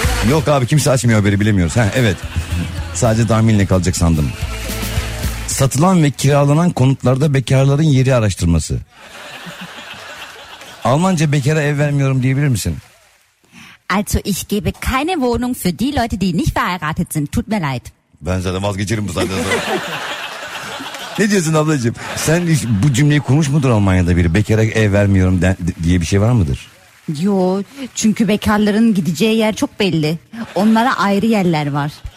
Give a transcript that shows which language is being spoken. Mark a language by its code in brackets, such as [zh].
[tr] Yok abi, kimse açmıyor haberi, bilemiyoruz. Heh, evet. Sadece tahminle kalacak sandım. Satılan ve kiralanan konutlarda bekarların yeri araştırması. Almanca bekara ev vermiyorum diyebilir misin? [de] Also ich gebe keine Wohnung für die Leute die nicht verheiratet sind. Tut mir leid. [tr] Ben zaten vazgeçerim bu zaten. Ne diyorsun ablacığım? Sen hiç bu cümleyi kurmuş mudur Almanya'da biri? Bekara ev vermiyorum diye bir şey var mıdır? Yok. Çünkü bekarların gideceği yer çok belli. Onlara ayrı yerler var.